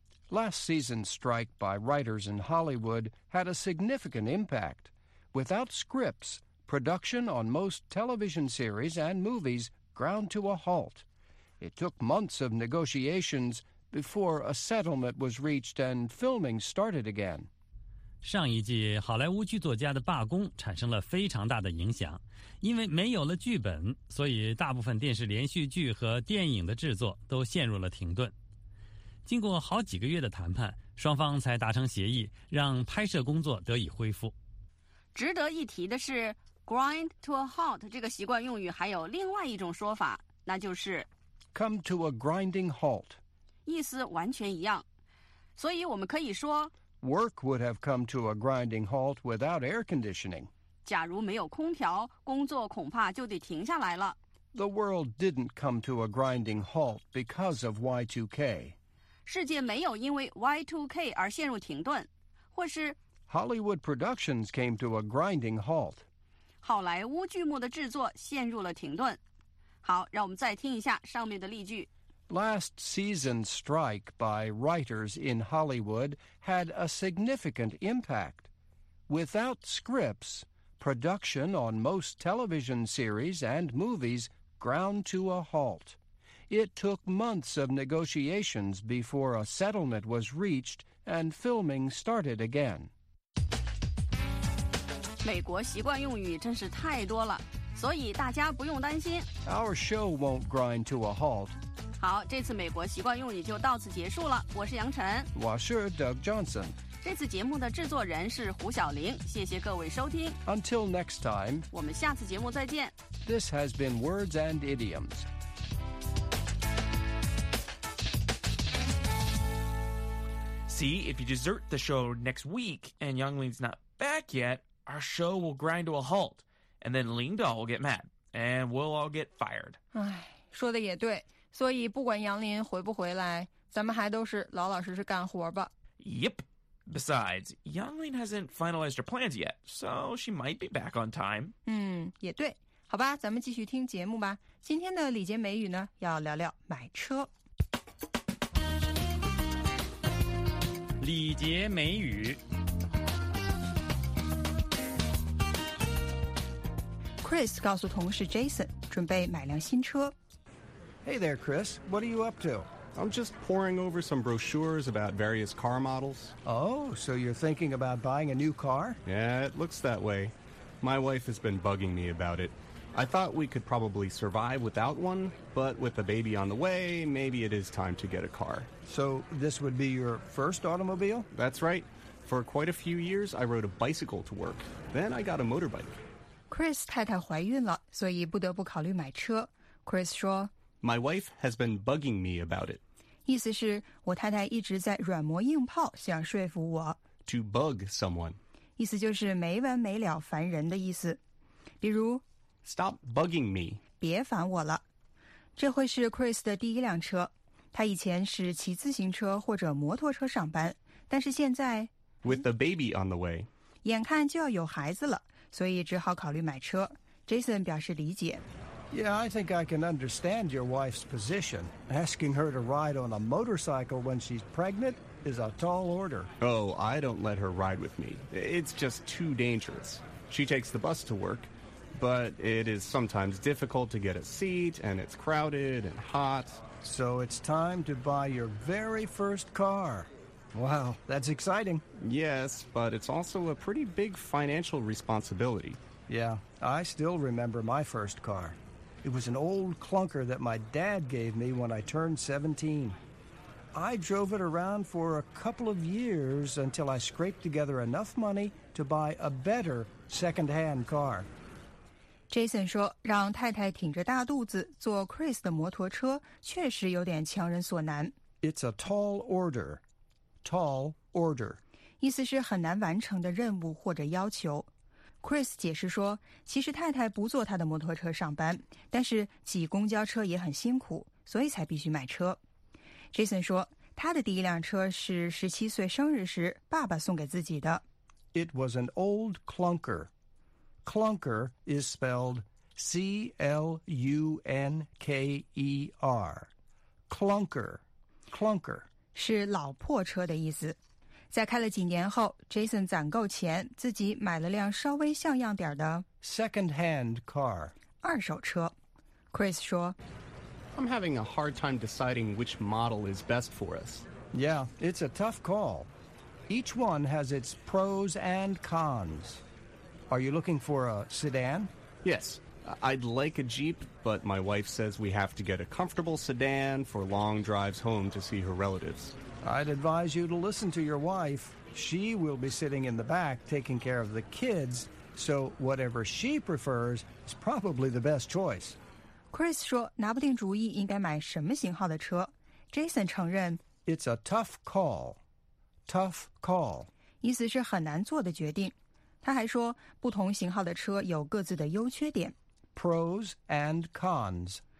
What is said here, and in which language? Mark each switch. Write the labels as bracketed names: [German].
[English] Last season's strike by writers in Hollywood had a significant impact. Without scripts, production on most television series and movies ground to a halt. It took months of negotiations before a settlement was reached and filming started again. [Chinese] 上一季好莱坞剧作家的罢工产生了非常大的影响，因为没有了剧本，所以大部分电视连续剧和电影的制作都陷入了停顿。经过好几个月的谈判，双方才达成协议，让拍摄工作得以恢复。值得一提的是 [English] grind to a halt [Chinese] 这个习惯用语还有另外一种说法，那就是 [English] come to a grinding halt， [Chinese] 意思完全一样，所以我们可以说 [English] Work would have come to a grinding halt without air conditioning. [Chinese] 假如没有空调，工作恐怕就得停下来了。 [English] The world didn't come to a grinding halt because of Y2K. [Chinese] 世界没有因为 Y2K 而陷入停顿，或是 [English] Hollywood productions came to a grinding halt. [Chinese] 好莱坞剧目的制作陷入了停顿。好，让我们再听一下上面的例句。 [English] Last season's strike by writers in Hollywood had a significant impact. Without scripts, production on most television series and movies ground to a halt. It took months of negotiations before a settlement was reached and filming started again. [Chinese] 美国习惯用语真是太多了，所以大家不用担心。 [English] Our show won't grind to a halt. [Chinese] 好，这次美国习惯用语就到此结束了。我是杨晨，我是 Doug Johnson。这次节目的制作人是胡晓玲，谢谢各位收听。 [English] Until next time， [Chinese] 我们下次节目再见。 [English] This has been Words and Idioms。 See if you desert the show next week and Youngling's not back yet, our show will grind to a halt, and then Ling Dao will get mad, and we'll all get fired。 [Chinese] 唉，说的也对。所以不管杨林回不回来，咱们还都是老老实实干活吧。 [English] Yep. Besides, Yang Lin hasn't finalized her plans yet, so she might be back on time. [Chinese] 也对。好吧，咱们继续听节目吧。今天的礼节美语呢，要聊聊买车。礼节美语。 Chris 告诉同事 Jason， 准备买辆新车。 [English] Hey there, Chris. What are you up to? I'm just poring over some brochures about various car models. Oh, so you're thinking about buying a new car? Yeah, it looks that way. My wife has been bugging me about it. I thought we could probably survive without one, but with a baby on the way, maybe it is time to get a car. So this would be your first automobile? That's right. For quite a few years, I rode a bicycle to work. Then I got a motorbike. [Chinese] Chris 太太怀孕了，所以不得不考虑买车。 Chris 说 [English] My wife has been bugging me about it. [Chinese] 意思是我太太一直在软磨硬泡想说服我。 [English] To bug someone. [Chinese] 意思就是没完没了烦人的意思。比如 [English] Stop bugging me. [Chinese] 别烦我了。这会是 Chris 的第一辆车。他以前是骑自行车或者摩托车上班。但是现在 [English] With the baby on the way. [Chinese] 眼看就要有孩子了，所以只好考虑买车。 Jason 表示理解。 [English] Yeah, I think I can understand your wife's position. Asking her to ride on a motorcycle when she's pregnant is a tall order. Oh, I don't let her ride with me. It's just too dangerous. She takes the bus to work, but it is sometimes difficult to get a seat, and it's crowded and hot. So it's time to buy your very first car. Wow, that's exciting. Yes, but it's also a pretty big financial responsibility. Yeah, I still remember my first car. It was an old clunker that my dad gave me when I turned 17. I drove it around for a couple of years until I scraped together enough money to buy a better second-hand car. [Chinese] Jason 说，让太太挺着大肚子坐 Chris 的摩托车确实有点强人所难。 [English] It's a tall order. Tall order. [Chinese] 意思是很难完成的任务或者要求。Chris 解释说，其实太太不坐他的摩托车上班，但是挤公交车也很辛苦，所以才必须买车。 Jason 说，他的第一辆车是17岁生日时爸爸送给自己的。 [English] It was an old clunker. Clunker is spelled C-L-U-N-K-E-R. Clunker, clunker. [Chinese] 是老破车的意思。在开了几年后 ,Jason 攒够钱自己买了辆稍微像样点的 [English] Second-hand car. [Chinese] 二手车。Chris 说 [English] I'm having a hard time deciding which model is best for us. Yeah, it's a tough call. Each one has its pros and cons. Are you looking for a sedan? Yes, I'd like a Jeep, but my wife says we have to get a comfortable sedan for long drives home to see her relatives. I'd advise you to listen to your wife. She will be sitting in the back taking care of the kids, so whatever she prefers is probably the best choice. [Chinese] Chris 说拿不定主意应该买什么型号的车。 Jason 承认 [English] It's a tough call. Tough call. [Chinese] 意思是很难做的决定。他还说不同型号的车有各自的优缺点。 [English] Pros and cons.